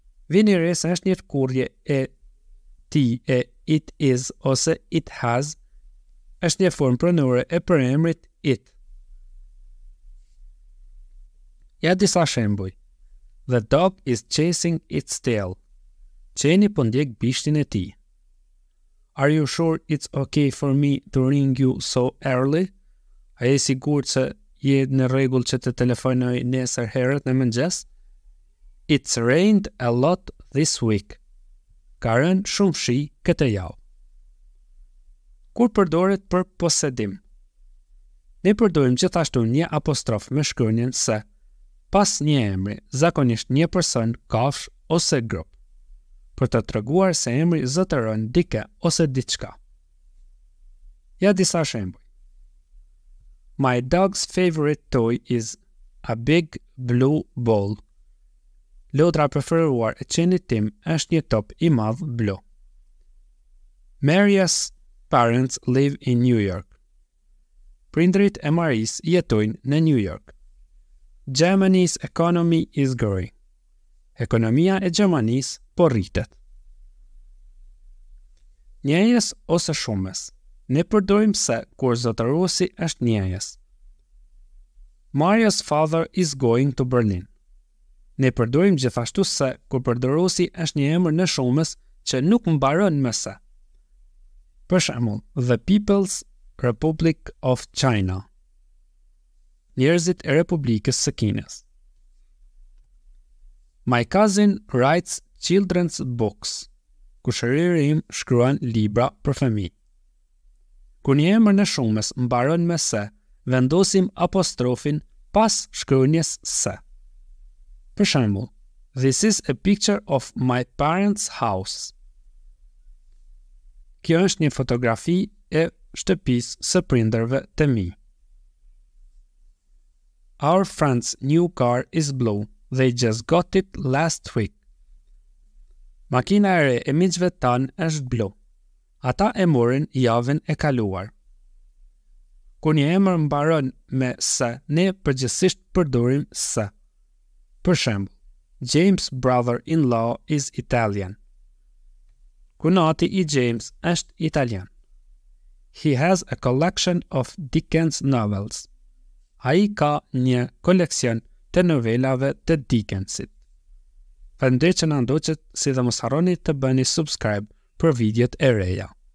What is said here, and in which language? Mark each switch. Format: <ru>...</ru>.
<sq>Vini re se është një kurje e ti e</sq> <en>it is</en> <sq>ose</sq> <en>it has.</en> <sq>Është një formë pronore e përemrit it. Ja disa shembuj.</sq> <en>The dog is chasing its tail.</en> <sq>Qeni po ndjek bishtin e tij.</sq> <en>Are you sure it's okay for me to ring you so early?</en> <sq>A je sigurt se je në rregull që të telefonoj nesër herët në mëngjes?</sq> <en>It's rained a lot this week.</en> <sq>Ka rënë shumë shi këtë javë. Kur përdoret për posedim? Ne përdorim gjithashtu një apostrof me shkronjen se pas një emri, zakonisht një person, kafsh ose grup, për të treguar se emri zotëron dike ose diçka. Ja disa shembuj.</sq> <en>My dog's favorite toy is a big blue ball.</en> <sq>Lodra preferuar e qenit tim është një top i madh blu.</sq> <en>Maria's parents live in New York.</en> <sq>Prindrit e Maris jetojnë në New York.</sq> <en>Germany's economy is growing.</en> <sq>Ekonomia e Gjermanis po rritet. Njejës ose shumës. Ne përdojmë se kur zotëruesi është njejës.</sq> <en>Mario's father is going to Berlin.</en> <sq>Ne përdojmë gjithashtu se kur përdojmësi është një emër në shumës që nuk mbaron më se. Për shembull,</sq> <en>The People's Republic of China.</en> <sq>Njerëzit e Republikës së Kinës.</sq> <en>My cousin writes children's books.</en> <sq>Kushëriri im shkruan libra për fëmijë. Kur një emër në shumës mbaron me se, vendosim apostrofin pas shkronjes se. Për shembull,</sq> <en>this is a picture of my parents' house.</en> <sq>Kjo është një fotografi e shtëpisë së prindërve të mi.</sq> <en>Our friend's new car is blue. They just got it last week.</en> <sq>Makina e re e miqve tan është blu. Ata e morën javën e kaluar. Kur një emër mbaron me se, ne përgjithsisht përdorim se. Për shembull,</sq> <en>James' brother-in-law is Italian.</en> <sq>Kunati i James është italian. He has a collection of Dickens novels. Ai ka një koleksion të novelave të Dickensit. Faleminderit që na ndoqët, si dhe mos harroni të bëni subscribe për videot e reja.</sq>